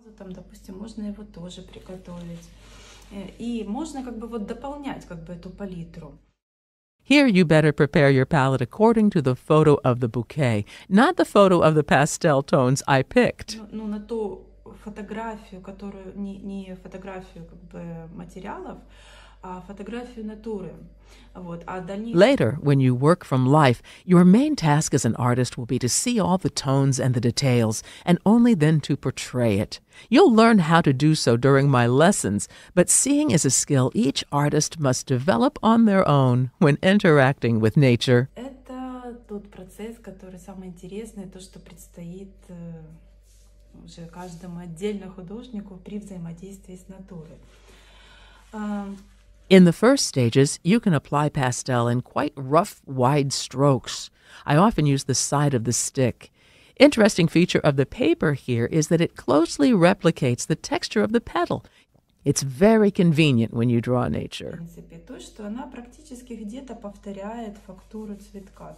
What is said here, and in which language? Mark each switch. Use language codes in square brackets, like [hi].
[ru] Там, допустим, можно его тоже приготовить. И можно как бы вот дополнять как бы эту палитру. [en] Here you better prepare your palette according to the photo of the bouquet, not the photo of the pastel tones I picked. [ru] Ну, на ту фотографию, которую не фотографию как бы материалов, а фотографию натуры. Вот. А дальнейшее... [en] Later, when you work from life, your main task as an artist will be to see all the tones and the details, and only then to portray it. You'll learn how to do so during my lessons, but seeing is a skill each artist must develop on their own when interacting with nature. [ru] Это тот процесс, который самый интересный, то, что предстоит уже каждому отдельно художнику при взаимодействии с натурой. [en] In the first stages, you can apply pastel in quite rough, wide strokes. I often use the side of the stick. Interesting feature of the paper here is that it closely replicates the texture of the petal. It's very convenient when you draw nature. [ru] В принципе, то, что она практически где-то повторяет фактуру цветка.